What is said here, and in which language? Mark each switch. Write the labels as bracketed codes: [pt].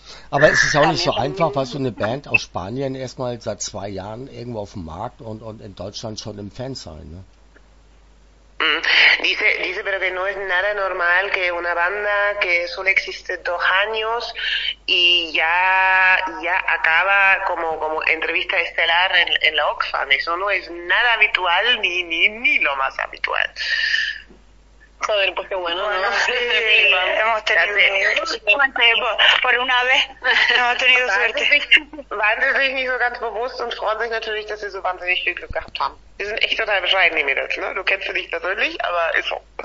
[de] Aber es ist auch nicht so einfach, weil so eine Band aus Spanien erstmal seit 2 Jahren irgendwo auf dem Markt und in Deutschland schon im Fansein, ne? [es] Dice, pero que no es nada normal que una banda que solo existe 2 años y ya acaba como entrevista estelar en la Oxfam. Eso no es nada habitual ni lo más habitual. Joder, pues qué bueno, ¿no? Sí, hemos tenido suerte. Por una vez hemos tenido suerte. [de] Wahnsinnig nicht so ganz bewusst und freuen sich natürlich, dass sie so wahnsinnig viel Glück gehabt haben. Die sind echt total bescheiden, die Mädels, ne? Du kennst sie nicht persönlich, aber ist so.